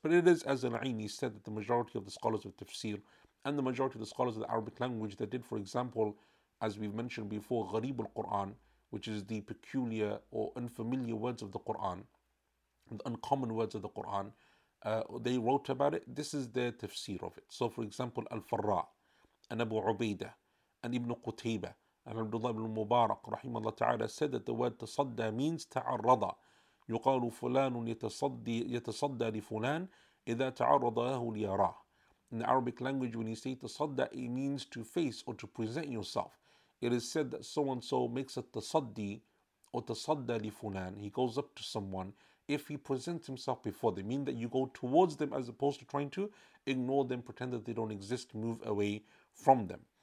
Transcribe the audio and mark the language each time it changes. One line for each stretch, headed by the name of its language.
English: But it is, as Al-Aini said, that the majority of the scholars of tafsir and the majority of the scholars of the Arabic language that did, for example, as we've mentioned before, Gharib al-Quran, which is the peculiar or unfamiliar words of the Quran, the uncommon words of the Quran, they wrote about it. This is their tafsir of it. So, for example, Al-Farra and Abu Ubaidah and Ibn Qutaybah and Abdullah ibn Mubarak, rahimahullah ta'ala, said that the word tasadda means ta'arrada.
Arabic: يقال فلان يتصدى لفلان إذا تعرض له ليراه.
English: In the Arabic language, when you say تصدى, it means to face or to present yourself. It is said that so and so makes a تصدي or تصدى لفلان. He goes up to someone if he presents himself before them. Mean that you go towards them as opposed to trying to ignore them, pretend that they don't exist, move away from them.